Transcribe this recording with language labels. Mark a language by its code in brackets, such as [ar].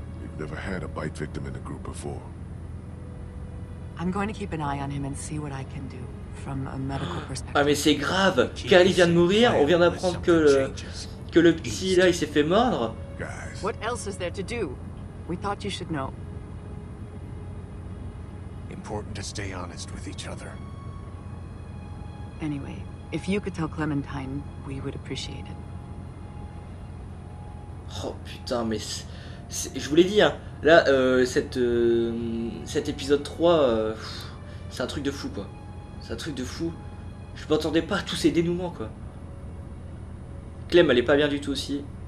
[en] You've never had a bite victim in the group before. I'm going to keep an eye on him and see what I can do from a medical perspective. [fr] Ah mais c'est grave. Kali vient de mourir. On vient d'apprendre que le petit là il s'est fait mordre. [en] What else is there to do? We thought you should know. Important to stay honest with each other. Anyway, if you could tell Clementine, we would appreciate it. [fr] Oh putain, mais c'est, je vous l'ai dit, hein, là, cet épisode 3, c'est un truc de fou, quoi. C'est un truc de fou. Je m'attendais pas à tous ces dénouements, quoi. Clem, elle est pas bien du tout aussi.